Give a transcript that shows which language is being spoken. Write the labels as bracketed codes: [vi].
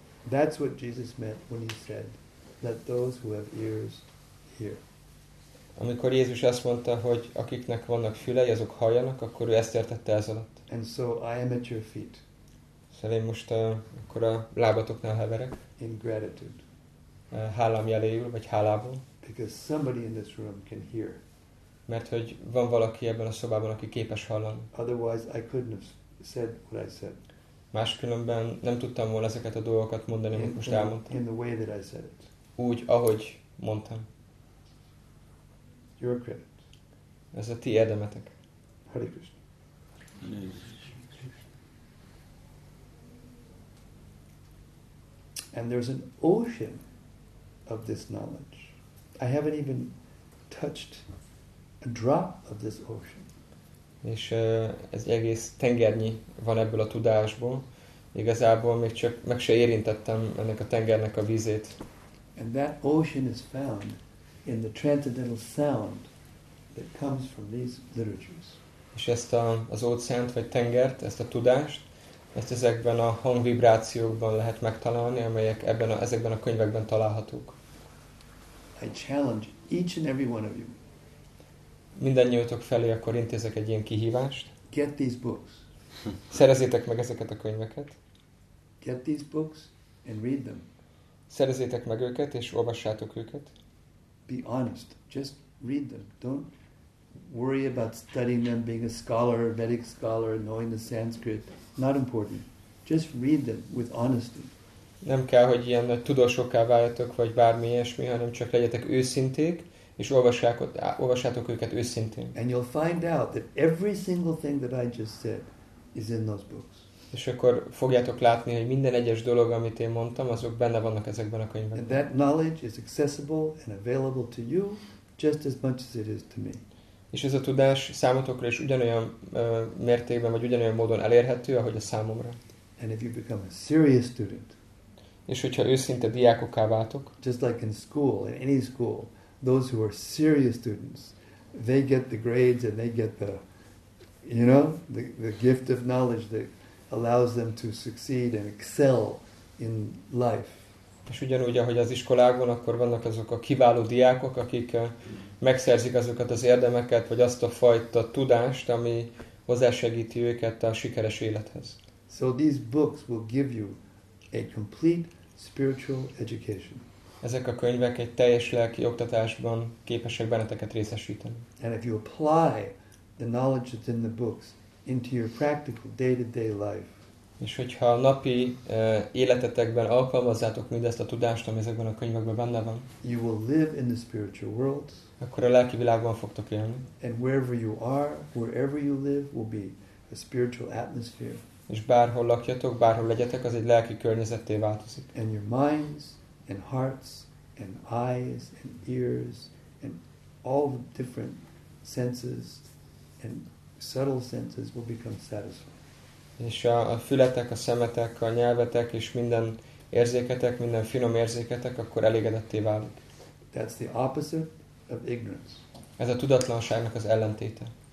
[en] That's what Jesus meant when he said, "Let those who have ears hear." [hu] Amikor Jézus azt mondta, hogy akiknek vannak fülei, azok halljanak, akkor ő ezt értette ez alatt. [en] And so I am at your feet. [hu] Szóval én most akkor a lábatoknál heverek. [en] In gratitude. [hu] Hálám jeléül, vagy hálából. [en] Because somebody in this room can hear. [hu] Mert hogy van valaki ebben a szobában, aki képes hallani. [en] Otherwise, I couldn't have said what I said. [hu] Máskülönben nem tudtam volna ezeket a dolgokat mondani, amit most elmondtam. [en] In the way that I said it. [hu] Úgy, ahogy mondtam. [en] Your credit. [hu] Ez a ti érdemetek. [sa] Hare Krishna. [en] And there's an ocean of this knowledge. I haven't even touched a drop of this ocean. [hu] És ez egész tengernyi van ebből a tudásból. Igazából még csak meg se érintettem ennek a tengernek a vizét. [en] And that ocean is found in the transcendental sound that comes from these literatures. [hu] És ezt az óceánt vagy tengert, ezt a tudást, ezt ezekben a hangvibrációkban lehet megtalálni, amelyek ezekben a könyvekben találhatók. [en] I challenge each and every one of you. [hu] Mindennyiótok felé akkor intézek egy ilyen kihívást. [en] Get these books. [hu] Szerezzétek meg ezeket a könyveket. [en] Get these books and read them. [hu] Szerezzétek meg őket és olvassátok őket. [en] Be honest. Just read them. Don't worry about studying them, being a scholar, a Vedic scholar, knowing the Sanskrit. Not important. Just read them with honesty. [hu] Nem kell, hogy ilyen tudósokká váljatok, vagy bármi ilyesmi, hanem csak legyetek őszinték, és olvassátok őket őszintén. [en] And you'll find out that every single thing that I just said is in those books. [hu] És akkor fogjátok látni, hogy minden egyes dolog, amit én mondtam, azok benne vannak ezekben a könyvekben. [en] And that knowledge is accessible and available to you just as much as it is to me. [hu] És ez a tudás számotokra is ugyanolyan mértékben, vagy ugyanolyan módon elérhető, ahogy a számomra. [en] And if you become a serious student, [hu] és hogyha őszinte diákokká váltok, [en] just like in school, in any school, those who are serious students, they get the grades and they get the, you know, the gift of knowledge that allows them to succeed and excel in life. [hu] És ugyanúgy, ahogy az iskolákban, akkor vannak azok a kiváló diákok, akik megszerzik azokat az érdemeket, vagy azt a fajta tudást, ami hozzásegíti őket a sikeres élethez. [en] So these books will give you a complete spiritual education. [hu] Ezek a könyvek egy teljes lelki oktatásban képesek benneteket részesíteni. [en] And if you apply the knowledge that's in the books into your practical day-to-day life. [hu] És hogyha a napi életetekben alkalmazzátok mindezt a tudást, ami ezekben a könyvekben benne van, [en] you will live in the spiritual world. [hu] Akkor a lelki világban fogtok élni. [en] And wherever you are, wherever you live, will be a spiritual atmosphere. [hu] És bárhol lakjatok, bárhol legyetek, az egy lelki környezetté változik. [en] And your minds and hearts and eyes and ears and all the different senses and subtle senses will become satisfied. [hu] És a fületek, a szemetek, a nyelvetek és minden érzéketek, minden finom érzéketek akkor elégedetté válik. [en] That's the opposite of ignorance. [hu] Ez a tudatlanságnak az ellentéte.